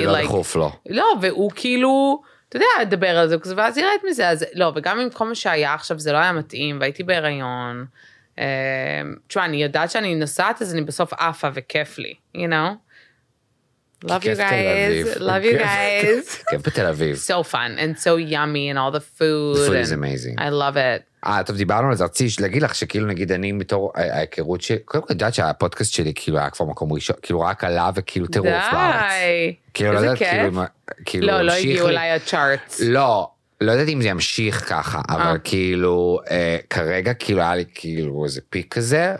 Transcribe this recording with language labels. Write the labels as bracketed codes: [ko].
[he] זה לא לחוף, לא. לא, והוא כאילו, אתה יודע, דבר על זה, ואז ירד מזה, אז לא, וגם עם כל מה שהיה עכשיו, זה לא היה מתאים, והייתי בהיריון. תשמע, אני יודעת שאני נוסעת, אז אני בסוף אפה וכיף לי, [en] you know? Love you guys. [he] כיף בתל אביב. [en] So fun, and so yummy, and all the food. The food is amazing. I love it. [he] טוב, דיברנו על זה, רציתי להגיד לך שכאילו נגיד אני מתור ההיכרות ש... קודם כל, יודעת שהפודקאסט שלי כאילו היה כבר מקום ראשון, כאילו רק עלה וכאילו טירוף בארץ. די, איזה כיף. כאילו, לא הגיעו אליי הצ'ארטס. לא, לא יודעת אם זה ימשיך ככה, אבל כאילו, כרגע כאילו היה לי כאילו איזה פיק כזה.